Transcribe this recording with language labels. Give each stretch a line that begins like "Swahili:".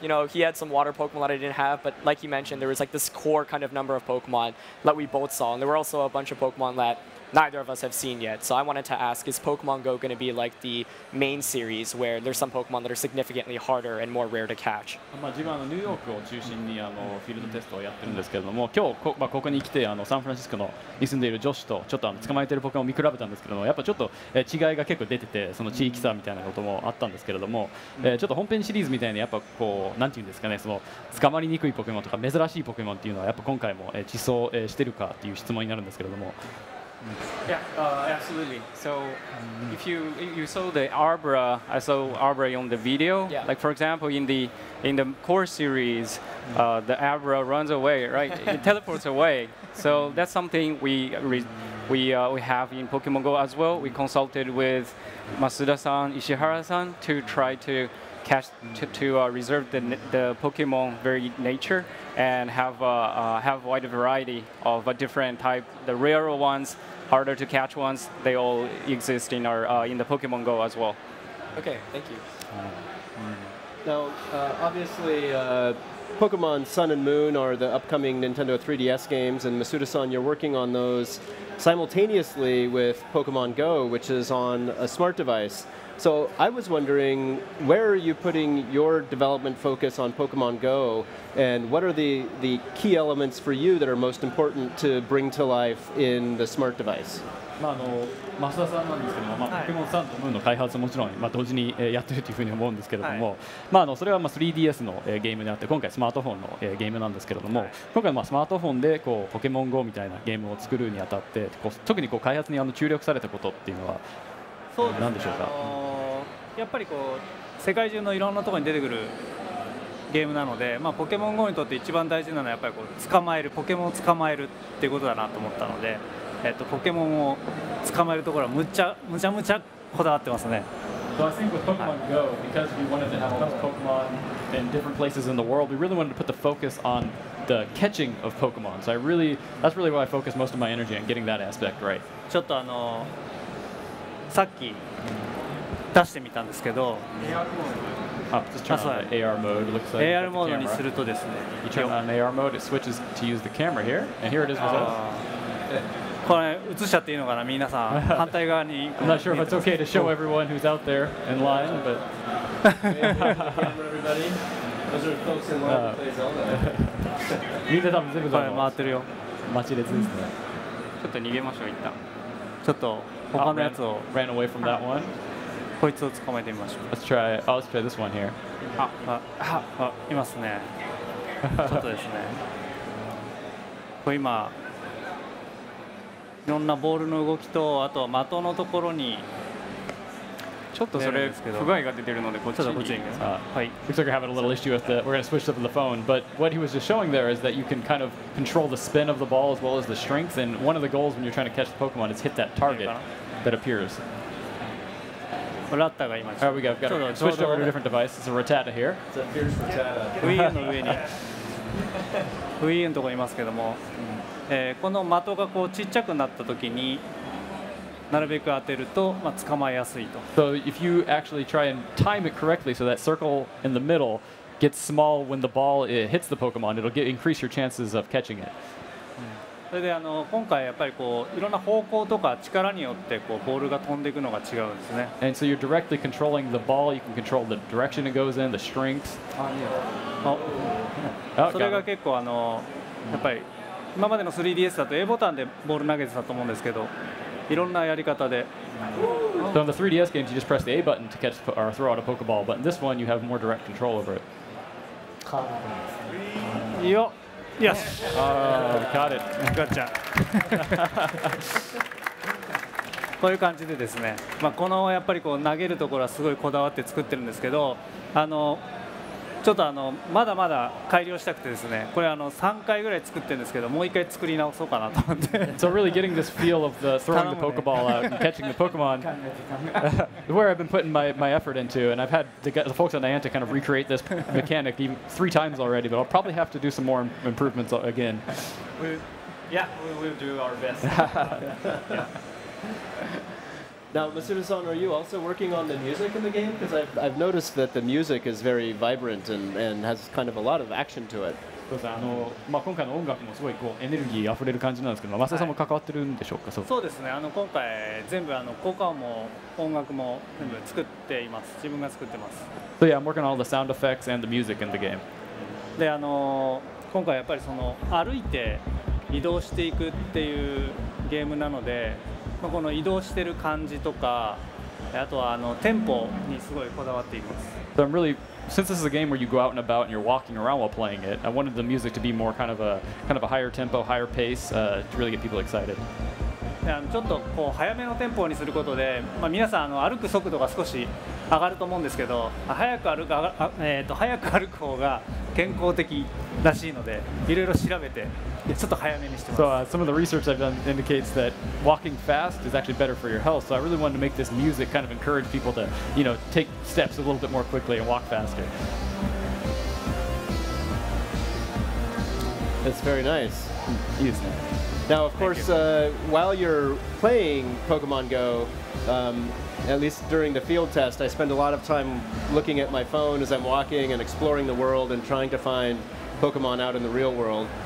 English: You know, he had some water Pokemon that I didn't have, but like you mentioned, there was like this core kind of number of Pokemon that we both saw, and there were also a bunch of Pokemon that neither of us have seen yet. So I wanted to ask, is Pokemon Go going to be like the main series where there's some Pokemon that are significantly harder and more rare to catch?
Japanese: まあ、自分はニューヨークを中心にフィールドテストをやってるんですけれども、今日 まあ、ここに来てサンフランシスコのに住んでいる女子とちょっと捕まえてるポケモンを見比べたんですけども、やっぱちょっと違いが結構出てて、その地域差みたいなこともあったんですけれども、ちょっと本編シリーズみたいにやっぱこうなんていうんですかね、その捕まりにくいポケモンとか珍しいポケモンっていうのはやっぱ今回も自走してるかっていう質問になるんですけれども、
English: Yeah, absolutely. So, if you saw the Arbra, I saw Arbra on the video. Yeah. Like for example, in the core series, the Arbra runs away, right? It teleports away. So that's something we have in Pokemon Go as well. We consulted with Masuda-san, Ishihara-san to try to catch to reserve the Pokemon very nature and have wide variety of a different type, the rarer ones. Harder to catch ones, they all exist in our in the Pokemon Go as well. Okay, thank you. Now, obviously, Pokemon Sun and Moon are the upcoming Nintendo 3DS games, and Masuda-san, you're working on those simultaneously with Pokemon Go, which is on a smart device. So I was wondering, where are you putting your development focus on Pokemon Go, and what are the key elements for you that are most important to bring to life in the smart device?
Japanese: まあ、増田さんなんですけども、まあ、ポケモンサンとムーンの開発ももちろん、まあ、同時にやってるというふうに思うんですけれども、はい、まあ、それは 3DS のゲームであって、今回スマートフォンのゲームなんですけれども、はい、今回はスマートフォンでこうポケモン GO みたいなゲームを作るにあたって、こう特にこう開発に注力されたことっていうのは、そうですね、何でしょうか。やっぱりこう世界中のいろんなところに出てくるゲームなので、まあ、ポケモン GO にとって一番大事なのはやっぱりこう捕まえる、ポケモンを捕まえるっていうことだなと思ったので、ポケモンを捕まえるところはむちゃむちゃこだわってますね。
English: So I think with Pokemon Go, because we wanted to have enough Pokemon in different places in the world, we really wanted to put the focus on the catching of Pokemon. So I really, that's really why I focus most of my energy on getting that aspect right.
Japanese: ちょっとさっき出してみたんですけど、 AR モード、
English: like、
Japanese: AR モードにするとですね、
English: you turn on AR mode, it switches to use the camera here, and here it is with us.
Japanese: これ映しちゃっていいのかな、皆さん反対側に。
English: I'm not sure if it's okay to show everyone who's out there in line, but. Everybody, those are folks in line playing Zelda.
Japanese: 見て多分全部回ってるよ。ちょっと逃げましょう一旦。ちょっと。他のやつを
English: ran away from that one.
Japanese: こいつを捕まえてみましょう。
English: Let's try this one here.
Japanese: いますね。ちょっとですね。これ今いろんなボールの動きとあとは的のところにちょっとそれ不具合が出てるのでこっちに。ちょっとこっちに。
English: Looks like we're having a little issue with the. We're going to switch up the phone. But what he was just showing there is that you can kind of control the spin of the ball as well as the strength. And one of the goals when you're trying to catch the Pokemon is hit that target. That appears.
Japanese: Ratta が今。
English: There we go. Got it. Switched over to a different device. It's a Rattata here. Here's Rattata.
Japanese: Wii の上に。 Wii のところいますけども、この的がこう小さくなった時に、なるべく当てると、まあ捕まえやすいと。
English: So if you actually try and time it correctly, so that circle in the middle gets small when the ball hits the Pokemon, it'll increase your chances of catching it.
Japanese: それで今回やっぱりこういろんな方向とか力によってこうボールが飛んでいくのが違うんですね。
English: And so you're directly controlling the ball. You can control the direction it goes in, the strength.
Japanese: それが結構やっぱり今までの 3DS だと A ボタンでボール投げてたと思うんですけど、いろんなやり方で。
English: So in the 3DS games, you just press the A button to catch or throw out a Pokeball. But in this one, you have more direct control over it.
Japanese: よ。
English: Yes. Got it. Gotcha.
Japanese: こういう感じでですね、まあ、このやっぱりこう投げるところはすごいこだわって作ってるんですけど、ちょっとまだまだ改良したくてですね、これ3回ぐらい作ってるんですけど、もう1回作り直そうかなと思って。
English: So really getting this feel of the throwing the Pokeball out and catching the Pokemon, where I've been putting my effort into, and I've had the folks at Niantic kind of recreate this mechanic even 3 times already, but I'll probably have to do some more improvements again. We'll do our best. Now, Masuda-san, are you also working on the music in the game? Because I've noticed that the music is very vibrant and has kind of a lot of action to it.
Japanese: そうですね。今回の音楽もすごいこうエネルギーあふれる感じなんですけど、マサさんも関わってるんでしょうか。そうですね。今回全部効果音も音楽も全部作っています。自分が作ってます。
English: So yeah, I'm working on all the sound effects and the music in the game.
Japanese: で、今回やっぱりその歩いて移動していくっていうゲームなので、まあ、この移動してる感じとか、あとはテンポにすごいこだわっています。
English: So I'm really, since this is a game where you go out and about and you're walking around while playing it, I wanted the music to be more kind of a higher tempo, higher pace, to really get people excited.
Japanese: ちょっとこう早めのテンポにすることで、まあ、皆さん歩く速度が少し上がると思うんですけど、早く歩く方が健康的らしいので、いろいろ調べてちょっと早めにしてます。
English: So, some of the research I've done indicates that walking fast is actually better for your health. So I really wanted to make this music kind of encourage people to, you know, take steps a little bit more quickly and walk faster. That's very nice.
Japanese: いいですね。
English: Now, of course, while you're playing Pokemon Go, at least during the field test, I spend a lot of time looking at my phone as I'm walking and exploring the world and trying to find Pokemon out in the real world.